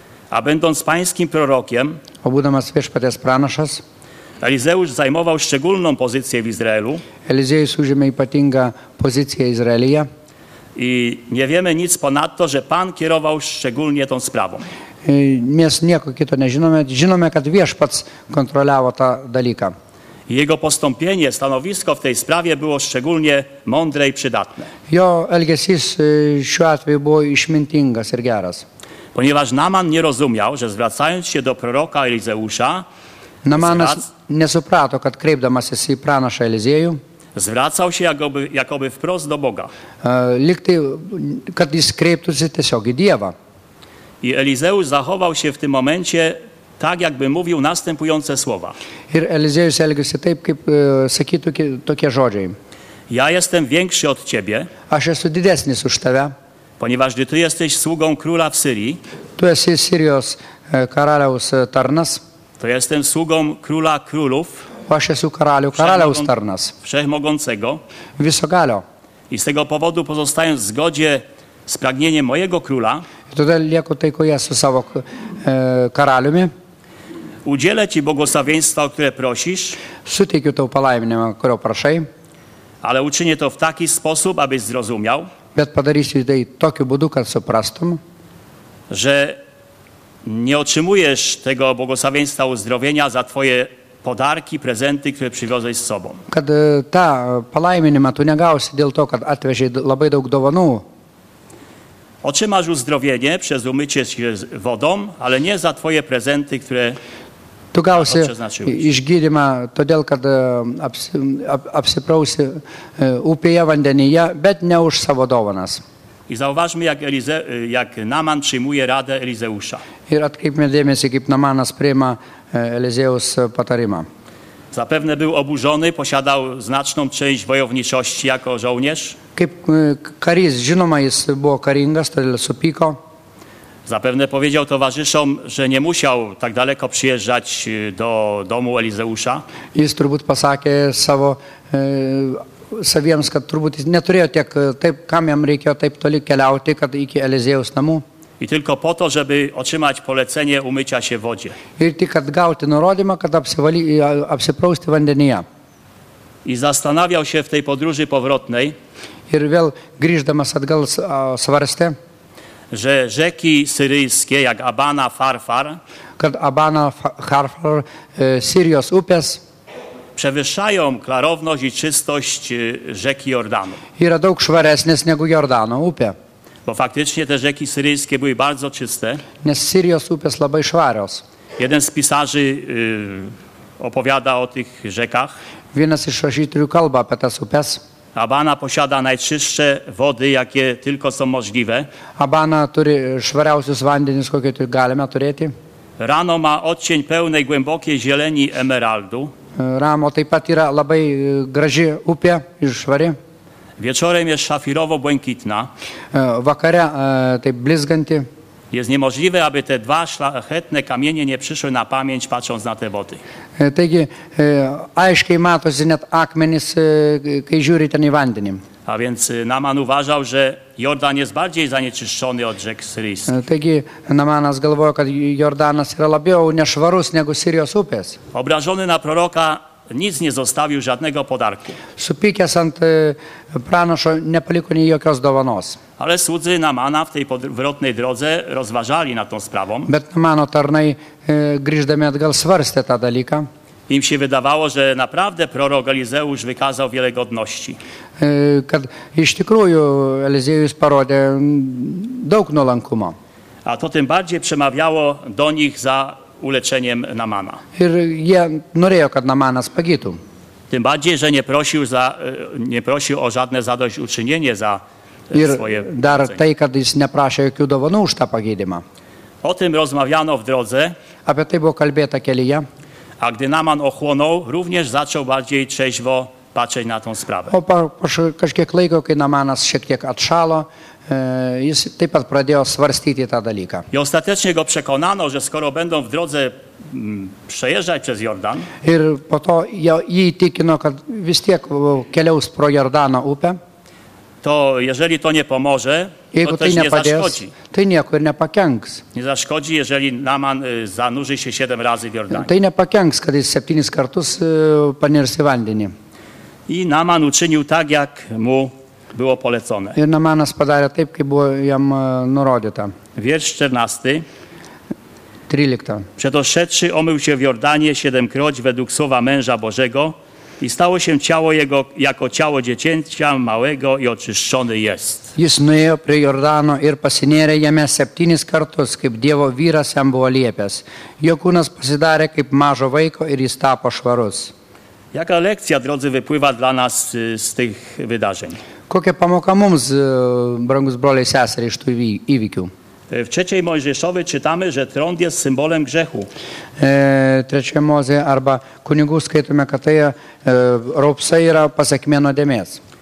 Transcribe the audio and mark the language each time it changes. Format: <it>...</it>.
<pl>A będąc pańskim prorokiem,</pl> <lt>o būdamas viešpaties pranašas,</lt> <pl>Elizeusz zajmował szczególną pozycję w Izraelu.</pl> <lt>Elizeus užėmė ypatingą poziciją Izraelyje.</lt> <pl>I nie wiemy nic ponadto, że Pan kierował szczególnie tą sprawą.</pl> <lt>Mes nieko kito nežinome, žinome, kad Viešpats kontroliavo tą dalyką.</lt> <pl>Jego postąpienie, stanowisko w tej sprawie było szczególnie mądre i przydatne.</pl> <lt>Jo elgesys šiuo atveju buvo išmintingas ir geras.</lt> <pl>Ponieważ Naman nie rozumiał, że zwracając się do proroka Elizeusza,</pl> <lt>Namanas nesuprato, kad kreipdamasis į pranašą Eliziejų,</lt> <pl>zwracał się jakoby wprost do Boga.</pl> <lt>Liktai, kad jis kreiptųsi tiesiog į Dievą.</lt> <pl>I Elizeusz zachował się w tym momencie tak, jakby mówił następujące słowa.</pl> <lt>Ir Eliziejus elgiasi taip, kaip sakytų tokie žodžiai.</lt> <pl>Ja jestem większy od ciebie.</pl> <lt>Aš esu didesnis už tave.</lt> <pl>Ponieważ gdy ty jesteś sługą króla w Syrii.</pl> <lt>Tu esi Sirijos karaliaus tarnas.</lt> <pl>To jestem sługą króla królów.</pl> <lt>Aš esu karalių, karaliaus tarnas.</lt> <pl>Wszechmogącego.</pl> <lt>Visagalio.</lt> <pl>I z tego powodu pozostając w zgodzie z pragnieniem mojego króla.</pl> <lt>I todėl lieku taikoje su savo karaliumi.</lt> <pl>Udzielę ci błogosławieństwa, o które prosisz.</pl> <lt>Suteikiu tau palaiminimą, kurio prašai.</lt> <pl>Ale uczynię to w taki sposób, abyś zrozumiał.</pl> <lt>Bet padarysiu tai tokiu būdu, kad suprastum.</lt> <pl>Że nie otrzymujesz tego błogosławieństwa uzdrowienia za twoje podarki, prezenty, które przywiozłeś z sobą.</pl> <lt>Kad ta palaiminimą tu negausi dėl to, kad atvežiai labai daug dovanų.</lt> <pl>Otrzymasz uzdrowienie przez umycie się wodą, ale nie za twoje prezenty, które</pl> <lt>tu gausi išgydymą, todėl kad apsiprausi upėje vandenyje, bet ne už savo dovanas.</lt> <pl>I zauważmy, jak Naman przyjmuje radę Elizeusza.</pl> <lt>Ir atkreipkime dėmesį, kaip Namanas priima Elizeus patarimą.</lt> <pl>Zapewne był oburzony, posiadał znaczną część wojowniczości jako żołnierz.</pl> <lt>Kaip karys, žinoma, jis buvo karingas, todėl supyko.</lt> <pl>Zapewne powiedział towarzyszom, że nie musiał tak daleko przyjeżdżać do domu Elizeusza.</pl> <lt>Jis turbūt pasakė savo saviems, kad turbūt jis neturėjo tiek, taip, kam jam reikėjo taip toli keliauti, kad iki Elizeus namų.</lt> <pl>I tylko po to, żeby otrzymać polecenie umycia się w wodzie.</pl> <lt>Ir tik atgauti nurodymą, kad apsiprausti vandenyje.</lt> <pl>I zastanawiał się w tej podróży powrotnej.</pl> <lt>Ir vėl grįždamas atgal svarstė,</lt> <pl>że rzeki syryjskie, jak Abana Farfar,</pl> <lt>kad Abana Farfar, Sirijos upės,</lt> <pl>przewyższają klarowność i czystość rzeki Jordanu.</pl> <lt>Yra daug švaresnės negu Jordano upė.</lt> <pl>Bo faktycznie te rzeki syryjskie były bardzo czyste.</pl> <lt>Nes Sirijos upės labai švarios.</lt> <pl>Jeden z pisarzy opowiada o tych rzekach.</pl> <lt>Vienas iš rašytojų kalba apie tas upės.</lt> <pl>Abana posiada najczystsze wody, jakie tylko są możliwe.</pl> <lt>Abana turi švariausius vandenis, kokie tu galime turėti.</lt> <pl>Rano ma odcień pełnej głębokiej zieleni emeraldu.</pl> <lt>Ramo taip pat yra labai graži upė ir švari.</lt> <pl>Wieczorem jest szafirowo-błękitna.</pl> <lt>Vakare taip blizganti.</lt> <pl>Jest niemożliwe, aby te dwa szlachetne kamienie nie przyszły na pamięć, patrząc na te wody.</pl> <lt>Taigi, aiškiai matosi net akmenys, kai žiūri ten į vandenį.</lt> <pl>A więc Naman uważał, że Jordan jest bardziej zanieczyszczony od rzek syryjskich.</pl> <lt>Taigi, Namanas galvojo, kad Jordanas yra labiau nešvarus negu Sirijos upės.</lt> <pl>Obrażony na proroka nic nie zostawił żadnego podarku.</pl> <lt>Supykęs ant pranašo nepaliko nie jokios dovanos.</lt> <pl>Ale słudzy Namana w tej powrotnej drodze rozważali nad tą sprawą.</pl> <lt>Bet Namano tarnai grįždami atgal svarstė tą dalyką.</lt> <pl>Im się wydawało, że naprawdę prorok Elizeusz wykazał wiele godności.</pl> <lt>Kad iš tikrųjų Elizeus parodė daug nuolankumo.</lt> <pl>A to tym bardziej przemawiało do nich za uleczeniem Namana.</pl> <lt>Ir jie norėjo, kad Namanas pagytų.</lt> <pl>Tym bardziej, że nie prosił o żadne zadośćuczynienie za</pl> <lt>ir</lt> <pl>swoje.</pl> <lt>Dar tai, kad jis neprašė jokių dovanų už tą pagydymą.</lt> <pl>O tym rozmawiano w drodze.</pl> <lt>Apie tai buvo kalbėta kelyje.</lt> <pl>A gdy Naman ochłonął, również zaczął bardziej trzeźwo patrzeć na tą sprawę.</pl> <lt>O kažkiek laiko, kai Namanas šiek tiek atšalo, jis taip pat pradėjo svarstyti tą dalyką.</lt> <pl>I ostatecznie go przekonano, że skoro będą w drodze przejeżdżać przez Jordan.</pl> <lt>Ir po to jį įtikino, kad vis tiek keliaus pro Jordano upę.</lt> <pl>To jeżeli to nie pomoże,</pl> <lt>jeigu</lt> <pl>to też</pl> <lt>tai nie padės,</lt> <pl>zaszkodzi.</pl> <lt>Tai nieko ir nepakenks.</lt> <pl>Nie zaszkodzi, jeżeli Naman zanurzy się 7 razy w Jordanie.</pl> <lt>Tai nepakenks, kad jis 7 kartus panirs į vandenį.</lt> <pl>I Naman uczynił tak, jak mu było polecone.</pl> <lt>Ir Namanas padarė taip, kaip buvo jam nurodyta.</lt> <pl>Wiersz 14. 13. Przedoszedłszy omył się w Jordanie siedemkroć według słowa męża Bożego i stało się ciało jego jako ciało dziecięcia małego i oczyszczony jest.</pl> <lt>Jis nuėjo prie Jordano ir pasinėrė jame septynis kartus, kaip Dievo vyras jam buvo liepęs. Jo kūnas pasidarė kaip mažo vaiko ir jis tapo švarus.</lt> <pl>Jaka lekcja, drodzy, wypływa dla nas z tych wydarzeń?</pl> <lt>Kokia pamoka mums, brangus broliai seserai, iš tų įvykių?</lt> <pl>W trzeciej Mojżeszowej czytamy, że trąd jest symbolem grzechu. Trzeciej Mojżeszowej,</pl> <lt>arba kunigų skaitome, kad tai raupsai yra pasekmė nuodėmės.</lt>